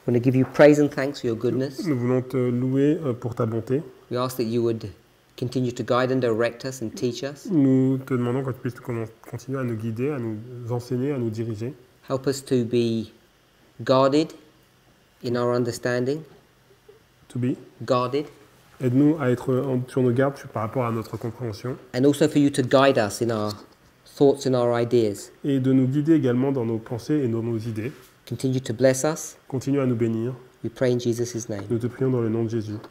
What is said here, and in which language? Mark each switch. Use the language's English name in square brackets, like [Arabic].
[English] We want to give you praise and thanks for your goodness. [French] Nous voulons te louer pour ta bonté. [English] We ask that you would continue to guide and direct us and teach us. [French] Nous te demandons que tu puisses continuer à nous guider, à nous enseigner, à nous diriger. [English] Help us to be guarded in our understanding. To be guarded. [French] Aide-nous à être sur nos gardes par rapport à notre compréhension. [English] And also for you to guide us in our thoughts and our ideas. [French] Et de nous guider également dans nos pensées et dans nos idées. [English] Continue to bless us. [French] Continue à nous bénir. [English] We pray in Jesus' name. [French] Nous te prions dans le nom de Jésus.